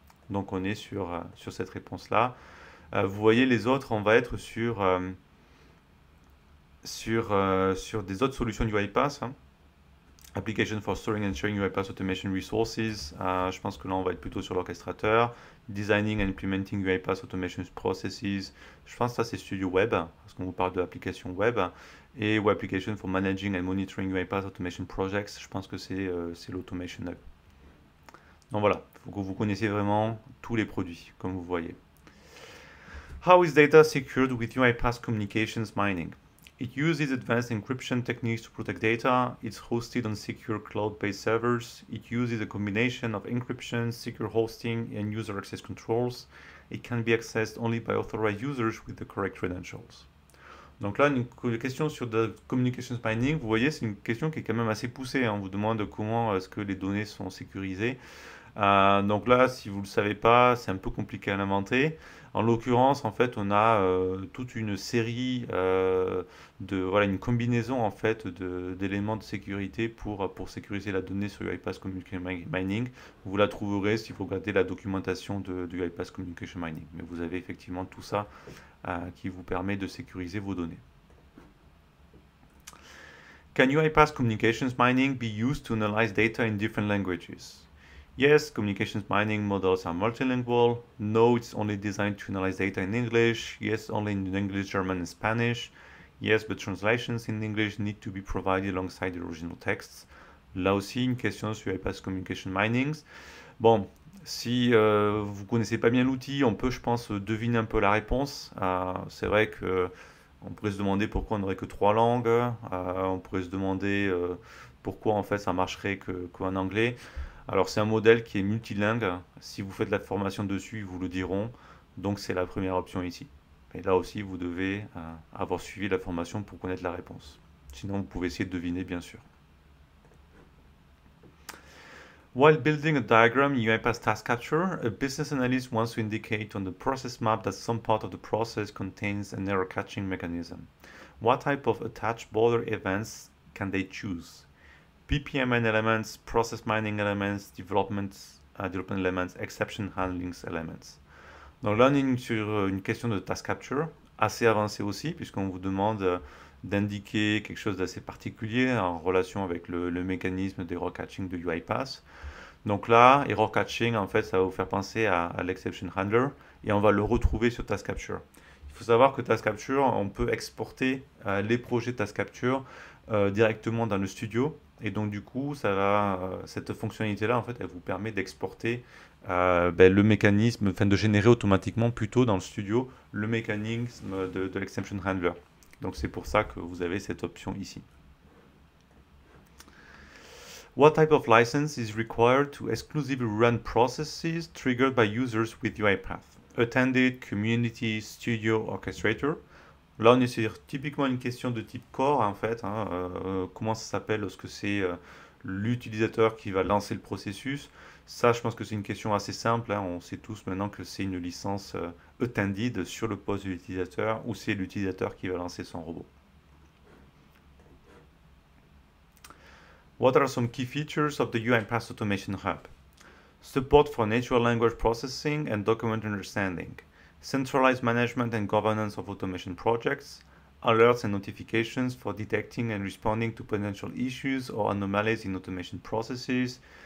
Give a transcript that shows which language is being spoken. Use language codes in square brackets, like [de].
[fr] Donc on est sur cette réponse-là. Vous voyez les autres, on va être sur des autres solutions du UiPath. Hein. [en] Application for storing and sharing UiPath automation resources. [fr] Je pense que là, on va être plutôt sur l'orchestrateur. [en] Designing and implementing UiPath automation processes. [fr] Je pense que ça, c'est Studio Web, parce qu'on vous parle de l'application web. [en] Et web application for managing and monitoring UiPath automation projects. [fr] Je pense que c'est l'automation hub. Donc voilà, il faut que vous connaissiez vraiment tous les produits, comme vous voyez. [en] How is data secured with UiPath Communications Mining? It uses advanced encryption techniques to protect data. It's hosted on secure cloud-based servers. It uses a combination of encryption, secure hosting, and user access controls. It can be accessed only by authorized users with the correct credentials. [fr] Donc là, une question sur de communications mining, vous voyez, c'est une question qui est quand même assez poussée. On vous demande comment est-ce que les données sont sécurisées. Donc là, si vous ne le savez pas, c'est un peu compliqué à l'inventer. En l'occurrence, en fait, on a toute une série de voilà, une combinaison en fait d'éléments de sécurité pour sécuriser la donnée sur UiPath Communication Mining. Vous la trouverez si vous regardez la documentation de UiPath Communication Mining. Mais vous avez effectivement tout ça qui vous permet de sécuriser vos données. [en] Can UiPath Communications Mining be used to analyze data in different languages? Yes, communications mining models are multilingual. No, it's only designed to analyze data in English. Yes, only in English, German, and Spanish. Yes, but translations in English need to be provided alongside the original texts. [fr] Là aussi, une question sur UiPath Communication Mining. Bon, si vous ne connaissez pas bien l'outil, on peut, je pense, deviner un peu la réponse. C'est vrai que on pourrait se demander pourquoi on n'aurait que trois langues. On pourrait se demander pourquoi, en fait, ça marcherait qu'en anglais. Alors c'est un modèle qui est multilingue. Si vous faites la formation dessus, ils vous le diront. Donc c'est la première option ici. Mais là aussi, vous devez avoir suivi la formation pour connaître la réponse. Sinon, vous pouvez essayer de deviner, bien sûr. [en] While building a diagram in UiPath Task Capture, a business analyst wants to indicate on the process map that some part of the process contains an error catching mechanism. What type of attached border events can they choose? BPMN elements, process mining elements, development elements, exception handling elements. [fr] Donc là, on est sur une question de task capture, assez avancée aussi, puisqu'on vous demande d'indiquer quelque chose d'assez particulier en relation avec le mécanisme d'error catching de UiPath. Donc là, error catching, en fait, ça va vous faire penser à l'exception handler, et on va le retrouver sur task capture. Il faut savoir que Task Capture, on peut exporter les projets Task Capture directement dans le studio. Et donc du coup, ça va, cette fonctionnalité-là, en fait, elle vous permet d'exporter le mécanisme, enfin de générer automatiquement plutôt dans le studio le mécanisme de l'exception handler. Donc c'est pour ça que vous avez cette option ici. [en] What type of license is required to exclusively run processes triggered by users with UiPath? Attended, Community, Studio, Orchestrator. [fr] Là, on est sur typiquement une question de type core, en fait. Hein, comment ça s'appelle lorsque c'est l'utilisateur qui va lancer le processus? Ça, je pense que c'est une question assez simple. Hein, on sait tous maintenant que c'est une licence attended sur le poste de l'utilisateur ou c'est l'utilisateur qui va lancer son robot. [en] What are some key features of the UiPath Automation Hub? Support for natural language processing and document understanding. Centralized management and governance of automation projects. Alerts and notifications for detecting and responding to potential issues or anomalies in automation processes.